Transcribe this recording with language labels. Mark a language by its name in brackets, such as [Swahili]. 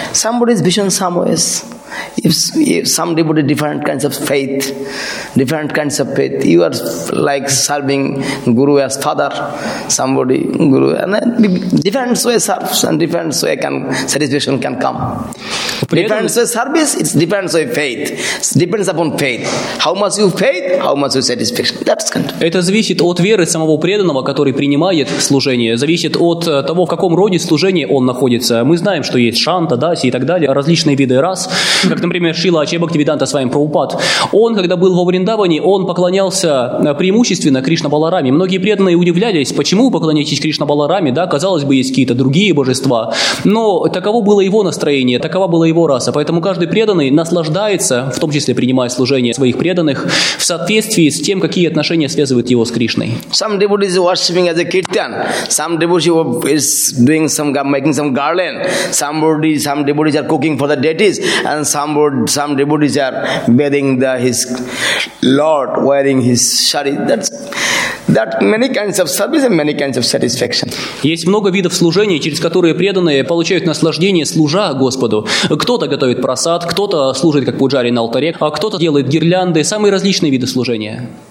[English] Somebody is vision somewhere. If some devotee different kinds of faith, you are like serving guru as father, somebody guru, and then different way serves and different way can satisfaction can come. Different way service, it's different way faith. It depends upon faith. How much you faith, how much you satisfaction. That's kind. [Russian] Это зависит от веры самого преданного, который принимает служение. Зависит от того, в каком роде служения он находится. Мы знаем, что есть шанта, даси и так далее, различные виды раз. как, например, Шрила Ачхебхактивиданта Свами Прабхупад, он, когда был во Вриндаване, он поклонялся преимущественно Кришна Балараме. Многие преданные удивлялись, почему вы поклоняетесь Кришна Балараме, да, казалось бы, есть какие-то другие божества. Но таково было его настроение, такова была его раса. Поэтому каждый преданный наслаждается, в том числе принимая служение своих преданных, в соответствии с тем, какие отношения связывают его с Кришной. [English] Some devotees are worshipping as a kirtan. Some devotees are doing some, making some garland. Some devotees are cooking for the deities. And some devotees are bathing his lord, wearing his sari. That many kinds of service and many kinds of satisfaction. [Russian] Есть много видов служения, через которые преданные получают наслаждение, служа Господу. Кто-то готовит просад, кто-то служит как пуджари на алтаре, а кто-то делает гирлянды, самые различные виды служения.